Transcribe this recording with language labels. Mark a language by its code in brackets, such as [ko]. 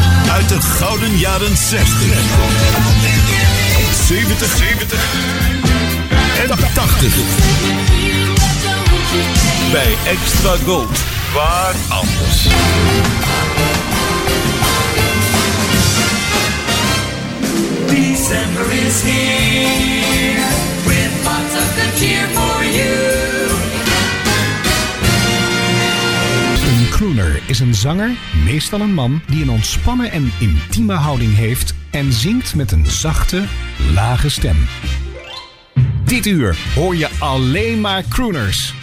[nl] Uit de gouden jaren 60, 70 en 80. Bij Extra Gold, waar anders. [en] December is here, with lots of good cheer for you. [nl] Een crooner is een zanger, meestal een man, die een ontspannen en intieme houding heeft en zingt met een zachte, lage stem. Dit uur hoor je alleen maar crooners.